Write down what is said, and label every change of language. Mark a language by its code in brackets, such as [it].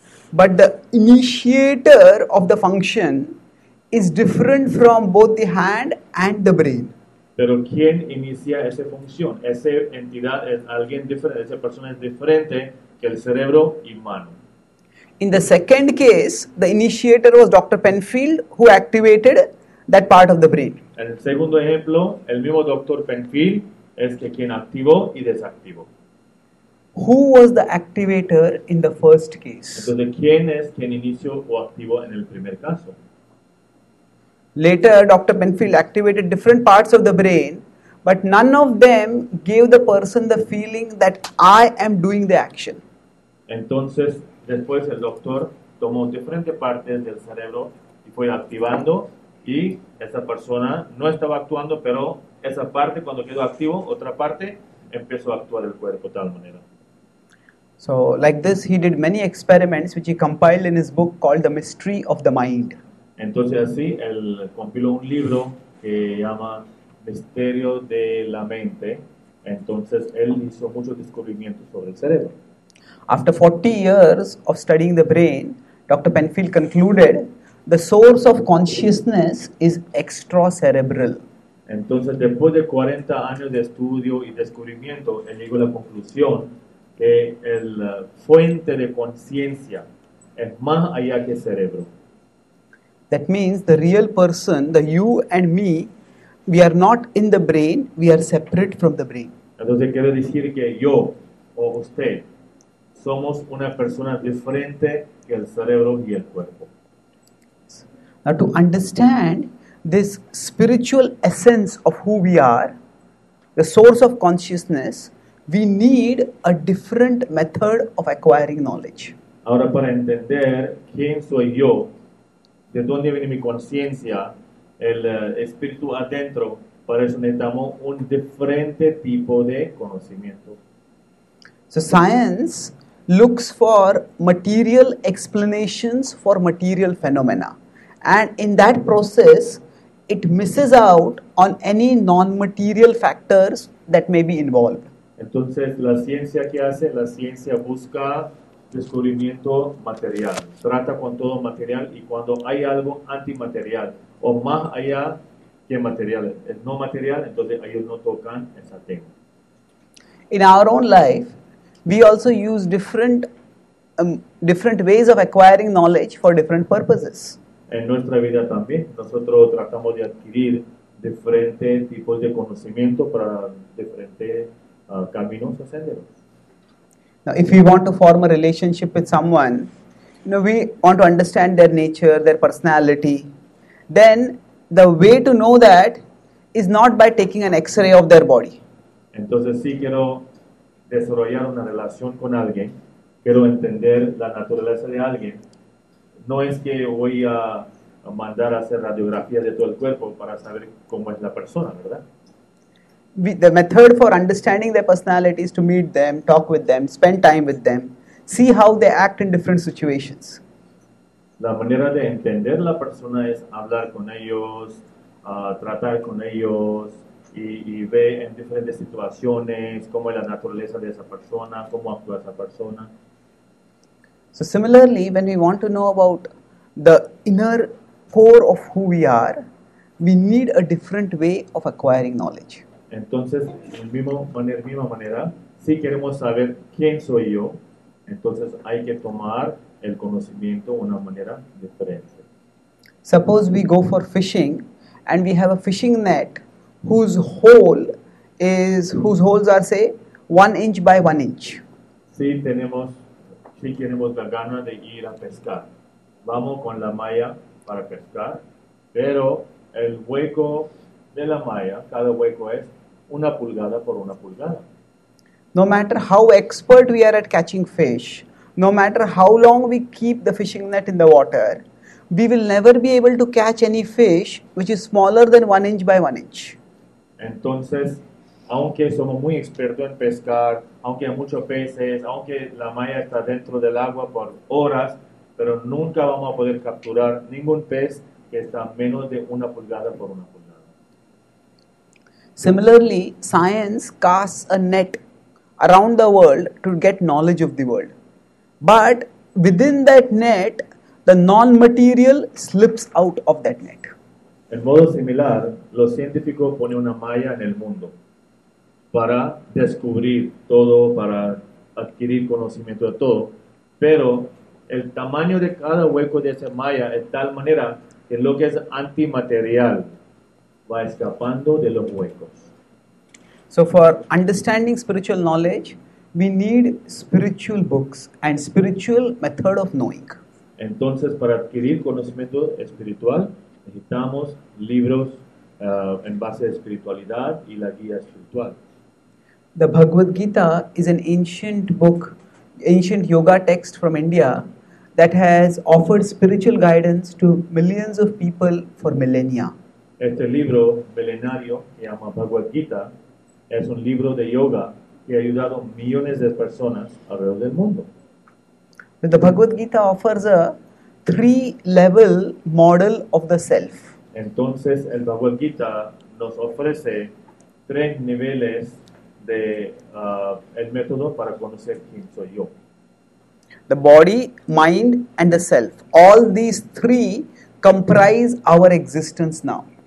[en] But the initiator of the function is different from both the hand and the brain. [es] Pero quien inicia esa función, esa entidad es alguien diferente, esa persona es diferente que el cerebro y mano. [en] In the second case, the initiator was Dr. Penfield who activated that part of the brain. [es] En el segundo ejemplo, el mismo Dr. Penfield es que quien activó y desactivó. [en] Who was the activator in the first case? [es] Entonces, ¿quién es quien inició o activó en el primer caso? [en] Later, Dr. Penfield activated different parts of the brain, but none of them gave the person the feeling that I am doing the action. [es] Entonces, después el doctor tomó diferentes partes del cerebro y fue activando, y esa persona no estaba actuando, pero esa parte, cuando quedó activo, otra parte empezó a actuar el cuerpo de tal manera. [en] So, like this, he did many experiments which he compiled in his book called The Mystery of the Mind. [es] Entonces, así, él compiló un libro que llama Misterio de la Mente. Entonces, él hizo muchos descubrimientos sobre el cerebro. [en] After 40 years of studying the brain, Dr. Penfield concluded, the source of consciousness is extracerebral. [es] Entonces, después de 40 años de estudio y descubrimiento, él llegó a la conclusión que el fuente de conciencia es más allá que el cerebro. [en] That means the real person, the you and me, we are not in the brain, we are separate from the brain. [es] Entonces quiere decir que yo o usted somos una persona diferente que el cerebro y el cuerpo. [en] Now to understand this spiritual essence of who we are, the source of consciousness, we need a different method of acquiring knowledge. [es] Ahora para entender quién soy yo, de dónde viene mi conciencia, el espíritu adentro, para eso necesitamos un diferente tipo de conocimiento. [en] So science looks for material explanations for material phenomena. And in that process, it misses out on any non-material factors that may be involved. [es] Entonces, ¿la ciencia qué hace? La ciencia busca descubrimiento material. Trata con todo material y cuando hay algo antimaterial o más allá que material, es no material, entonces ellos no tocan ese tema. [en] In our own life, we also use different different ways of acquiring knowledge for different purposes. [es] En nuestra vida también, nosotros tratamos de adquirir diferentes tipos de conocimiento para diferentes caminos o senderos. [en] Now, if we want to form a relationship with someone, you know, we want to understand their nature, their personality, then the way to know that is not by taking an x-ray of their body. [es] Entonces, si quiero desarrollar una relación con alguien, quiero entender la naturaleza de alguien, no es que voy a mandar a hacer radiografía de todo el cuerpo para saber cómo es la persona, ¿verdad? [en] The method for understanding their personality is to meet them, talk with them, spend time with them, see how they act in different situations. [es] La manera de entender la persona es hablar con ellos, tratar con ellos y ve en diferentes situaciones cómo es la naturaleza de esa persona, cómo actúa esa persona. [en] So similarly, when we want to know about the inner core of who we are, we need a different way of acquiring knowledge. [es] Entonces, de misma manera, si queremos saber quién soy yo, entonces hay que tomar el conocimiento de una manera diferente. [en] Suppose we go for fishing and we have a fishing net whose holes are say 1 inch by 1 inch. [es] Si tenemos, si queremos la gana de ir a pescar, vamos con la malla para pescar, pero el hueco de la malla, cada hueco es una pulgada por una pulgada. [en] No matter how expert we are at catching fish, no matter how long we keep the fishing net in the water, we will never be able to catch any fish which is smaller than 1 inch by 1 inch. [es] Entonces, aunque somos muy expertos en pescar, aunque hay muchos peces, aunque la malla está dentro del agua por horas, pero nunca vamos a poder capturar ningún pez que está menos de una pulgada por una pulgada. [en] Similarly, science casts a net around the world to get knowledge of the world. But within that net, the non-material slips out of that net. [es] En modo similar, los científicos ponen una malla en el mundo para descubrir todo, para adquirir conocimiento de todo, pero el tamaño de cada hueco de esa malla es tal manera que lo que es antimaterial va escapando de los huecos. [en] So for understanding spiritual knowledge, we need spiritual books and spiritual method of knowing. [es] Entonces, para adquirir conocimiento espiritual, necesitamos libros en base a espiritualidad y la guía espiritual. [en] The Bhagavad Gita is an ancient book, ancient yoga text from India that has offered spiritual guidance to millions of people for millennia. [es] Este libro milenario se llama Bhagavad Gita. Es un libro de yoga que ha ayudado millones de personas alrededor del mundo. [en] The Bhagavad Gita offers a 3-level model of the self. [es] Entonces, el Bhagavad Gita nos ofrece 3 niveles de el método para conocer quién soy yo. [en] The body, mind and the self. All these 3 comprise our existence now.